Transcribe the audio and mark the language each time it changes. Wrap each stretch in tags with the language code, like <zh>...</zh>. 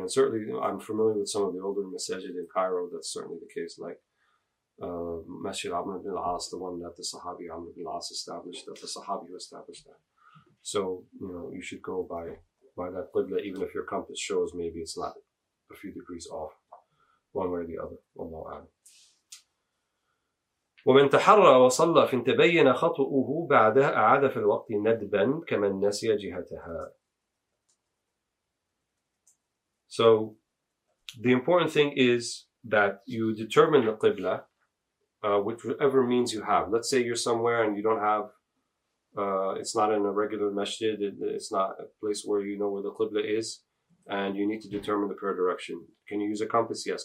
<en>And certainly, you know, I'm familiar with some of the older masajid in Cairo, that's certainly the case, like Masjid Amr ibn al-As, the one that the Sahabi Amr ibn al-As established, that the Sahabi who established that. So, you know, you should go by that Qibla, even if your compass shows maybe it's not a few degrees off one way or the other. Allahu a'lam.</en> <ar>ومن تحرى وصلى فإن تبين خطؤه بعدها أعاد في الوقت ندبا كمن نسي جهتها.</ar> <en>So the important thing is that you determine the Qibla with whatever means you have. Let's say you're somewhere and you don't have it's not in a regular masjid, it's not a place where you know where the Qibla is, and you need to determine the prayer direction. Can you use a compass? Yes.</en>